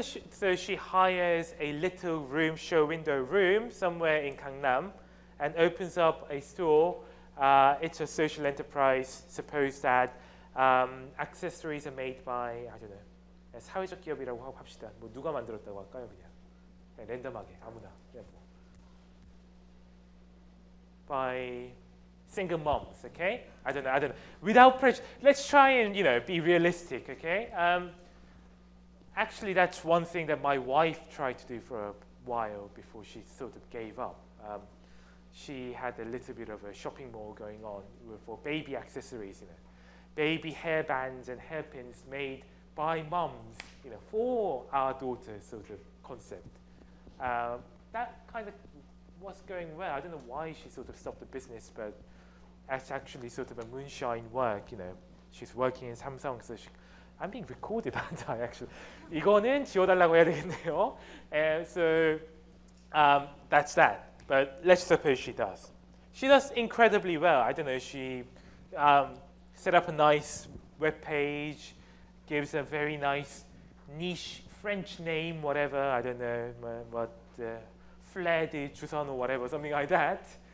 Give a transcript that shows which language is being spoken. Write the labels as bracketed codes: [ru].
[en] So she hires a little room, show window room, somewhere in Gangnam, and opens up a store. It's a social enterprise. Suppose that accessories are made by, I don't know, [ko] 사회적 기업이라고 합시다. 뭐 누가 만들었다고 할까요, 그냥? 랜덤하게, 아무나. [en] By single moms, okay? I don't know. Without prejudice, let's try and, you know, be realistic, okay? Actually, that's one thing that my wife tried to do for a while before she sort of gave up. She had a little bit of a shopping mall going on for baby accessories, you know. Baby hair bands and hairpins made by moms, you know, for our daughter sort of concept. That kind of was going well. I don't know why she sort of stopped the business, but that's actually sort of a moonshine work, you know. She's working in Samsung, so I'm being recorded, aren't I, actually? [ko] 이거는 지워달라고 해야 되겠네요. [en] So that's that. But let's suppose she does. She does incredibly well. I don't know, she set up a nice web page, gives a very nice niche French name, whatever, I don't know, what, Flair de Jusan or whatever, something like that.